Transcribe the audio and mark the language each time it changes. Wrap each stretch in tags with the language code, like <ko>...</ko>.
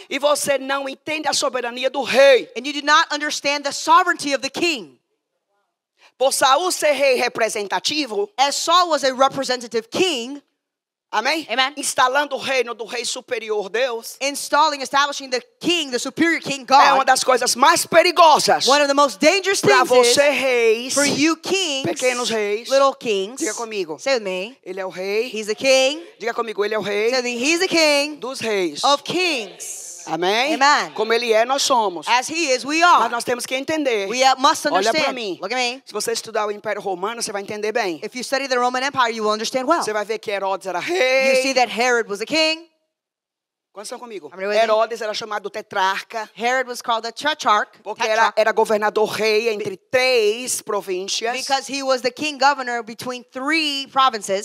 <pt>e você não entende a soberania do rei.</pt> <en>And you do not understand the sovereignty of the king.</en> <pt>Por Saul ser rei representativo,</pt> <en>as Saul was a representative king,</en> <pt>amém?</pt> <en>Amen.</en> <pt>Instalando o reino do rei superior Deus.</pt> <en>Installing, establishing the king, the superior king God.</en> <pt>É uma das coisas mais perigosas.</pt> <en>One of the most dangerous things</en> <pt>para você reis,</pt> <en>for you kings,</en> <pt>pequenos reis,</pt> <en>little kings.</en> <pt>Diga comigo.</pt> <en>Say with me.</en> <pt>Ele é o rei.</pt> <en>He's the king.</en> <pt>Diga comigo. Ele é o rei.</pt> <en>Say with me. He's the king.</en> <pt>Dos reis.</pt> <en>Of kings.</en> <pt>Amém?</pt> <en>Amen.</en> <pt>Como ele é, nós somos.</pt> <en>As he is, we are.</en> <pt>Mas nós temos que entender.</pt> <en>We must understand.</en> <pt>Olha para mim.</pt> <en>Look at me.</en> <pt>Se você estudar o Império Romano, você vai entender bem.</pt> <en>If you study the Roman Empire, you will understand well.</en> <pt>Você vai ver que Herodes era rei.</pt> <en>You see that Herod was a king.</en> <pt>Quando estão comigo?</pt> <en>I mean,</en> <pt>Herodes era chamado tetrarca.</pt> <en>Herod was called the tetrarch.</en> <pt>Porque era governador rei entre três províncias.</pt> <en>Because he was the king governor between three provinces.</en>